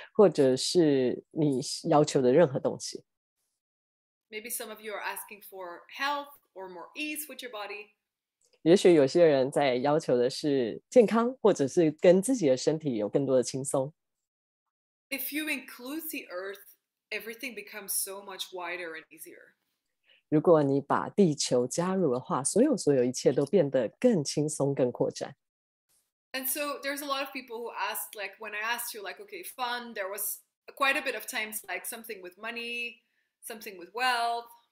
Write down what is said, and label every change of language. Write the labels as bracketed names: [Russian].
[Chinese] 这个不管啊，你正在要求的是什么样的主题，可能是金钱啊，可能是关系啊，可能是身体，或者是你要求的任何东西。 [English] Maybe some of you are asking for health or more ease with your body. [Chinese] 也许有些人在要求的是健康，或者是跟自己的身体有更多的轻松。 [English] If you include the earth, everything becomes so much wider and easier. [Chinese] 如果你把地球加入的话，所有一切都变得更轻松、更扩展。 [English] And so there's a lot of people who asked, like, when I asked you, like, okay, fun, there was quite a bit of times, like, something with money, something with wealth.